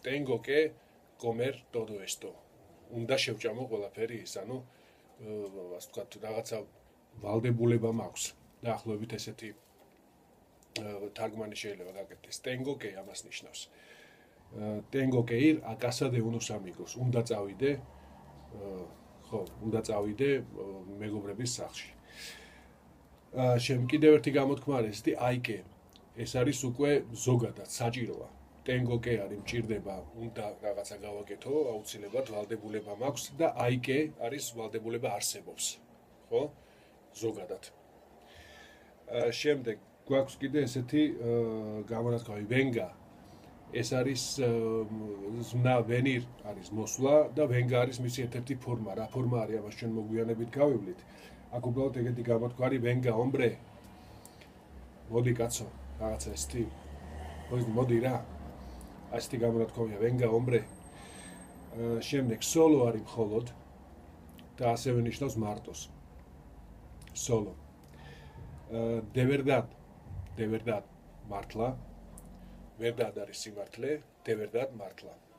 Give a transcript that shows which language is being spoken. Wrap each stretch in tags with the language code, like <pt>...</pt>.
<es>Tengo que comer todo esto.</es> <ka>უნდა შევჭამო ყველაფერი ის, ანუ ასე ვთქვათ, რაღაცა ვალდებულება მაქვს. დაახლოებით ესეთი თარგმანი შეიძლება გაკეთდეს. Tengo que ამას ნიშნავს.</ka> <es>Tengo que ir a casa de unos amigos.</es> <ka>უნდა წავიდე. ხო, უნდა წავიდე მეგობრების სახლში. შემ კიდევ ერთი გამოთქმა არის ესეთი I can. ეს არის უკვე ზოგადად საჭიროა. Tengo que არის მჭირდება, უნდა რაღაცა გავაკეთო, აუცილებლად ვალდებულება მაქვს და I can არის ვალდებულება არსებობს. ხო? ზოგადად. შემდეგ გვაქვს კიდე ესეთი გამონათქვამი venga. ეს არის ზმნა venir არის მოსვლა და venga არის მისი ერთ-ერთი ფორმა. რა ფორმა არის ამას ჩვენ მოგვიანებით გავივლით. აქ უბრალოდ ეგეთი გამოთქვა არის</ka> <es>venga hombre.</es> <ka>მოდი კაცო. რაღაცა ესეთი, მოდი რა, ასეთი გამონათქვამია venga hombre. შემდეგ solo არის მხოლოდ და ასევე ნიშნავს მარტოს, solo. De verdad, მართლა, verdad არის სიმართლე, de verdad მართლა.</ka>